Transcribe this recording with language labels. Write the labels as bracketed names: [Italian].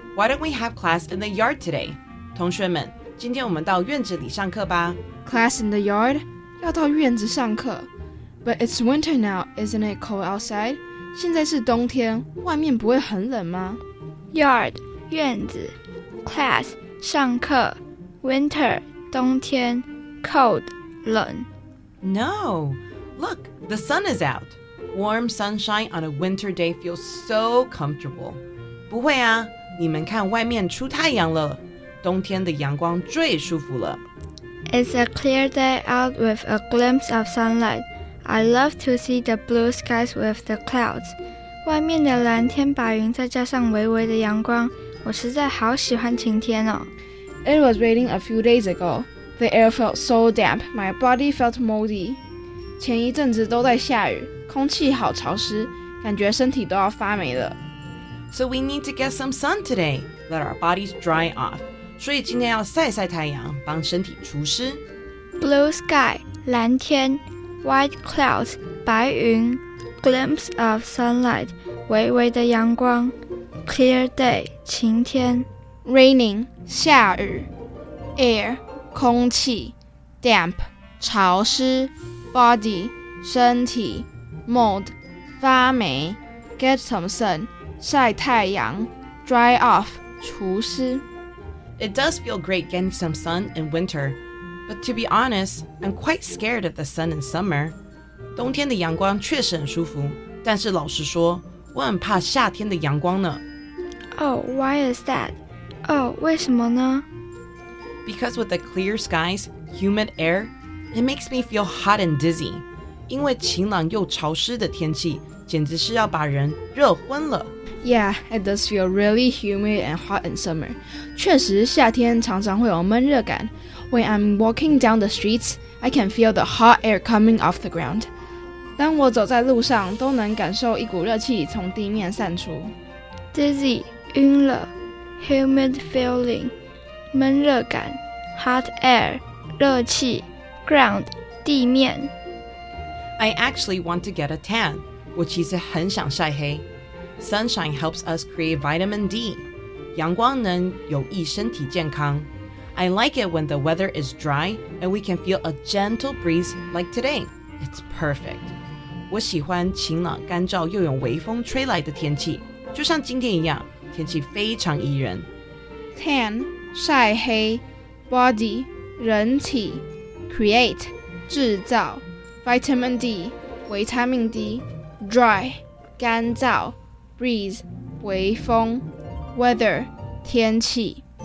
[English] Why don't we have class in the yard today? [Chinese] 同学们，今天我们到院子里上课吧。 [English] Class in the yard? [Chinese] 要到院子上课。 [English] But it's winter now, isn't it cold outside? [Chinese] 现在是冬天，外面不会很冷吗？ [English] Yard, 院子。Class, 上课。 Winter, 冬天。Cold, 冷。 No, look, the sun is out. Warm sunshine on a winter day feels so comfortable. [Chinese] 不会啊，你们看外面出太阳了。冬天的阳光最舒服了。 [English] It's a clear day out with a glimpse of sunlight. I love to see the blue skies with the clouds. [Chinese] 外面的蓝天白云再加上微微的阳光，我实在好喜欢晴天哦。 [English] It was raining a few days ago. The air felt so damp, my body felt moldy. [Chinese] 前一阵子都在下雨，空气好潮湿，感觉身体都要发霉了。 [English] So we need to get some sun today, let our bodies dry off. [Chinese] 所以今天要晒晒太阳，帮身体除湿。 [English] Blue sky, 蓝天。White clouds, 白云 glimpse of sunlight, 微微的阳光 clear day, 晴天 raining, 下雨 air, 空气 damp, 潮湿 body, 身体 mold, 发霉 get some sun, 晒太阳 dry off, 除湿 It does feel great getting some sun in winter. But to be honest, I'm quite scared of the sun in summer. [Chinese] 冬天的阳光确实很舒服，但是老实说，我很怕夏天的阳光呢。 [English] Oh, why is that? Oh, [Chinese] 为什么呢？ [English] Because with the clear skies, humid air, it makes me feel hot and dizzy. [Chinese] 因为晴朗又潮湿的天气，简直是要把人热昏了。 [English] Yeah, it does feel really humid and hot in summer. [Chinese] 确实，夏天常常会有闷热感。 [English] When I'm walking down the streets, I can feel the hot air coming off the ground. [Chinese] 当我走在路上，都能感受一股热气从地面散出。 [English] Dizzy, 晕了。Humid feeling, 闷热感。 Hot air, 热气。Ground, 地面。 I actually want to get a tan. [Chinese] 我其实很想晒黑。 [English] Sunshine helps us create vitamin D. [Chinese] 阳光能有益身体健康。 [English] I like it when the weather is dry and we can feel a gentle breeze like today. It's perfect. [Chinese] 我喜欢晴朗干燥又有微风吹来的天气，就像今天一样，天气非常宜人。 [English] Tan, 晒黑 body, 人体 create, 制造 vitamin D, 维他命 D, dry, 干燥 breeze, 微风 weather, 天气